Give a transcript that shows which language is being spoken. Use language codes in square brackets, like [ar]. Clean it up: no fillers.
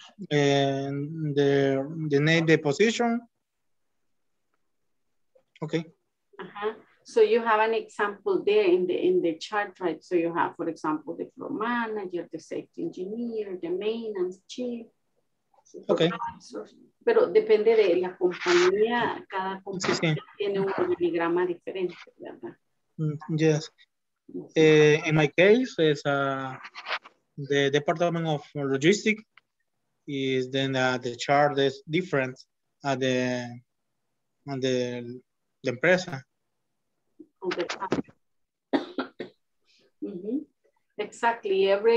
[en] The name, the position. Okay. Uh-huh. So you have an example there in the chart, right? So you have, for example, the floor manager, the safety engineer, the maintenance chief. Okay. [es] Pero depende de la compañía, cada compañía tiene un organigrama diferente, ¿verdad? [en] Yes. In my case, it's a... The Department of Logistics is then the chart is different at the empresa. Mm-hmm. Exactly.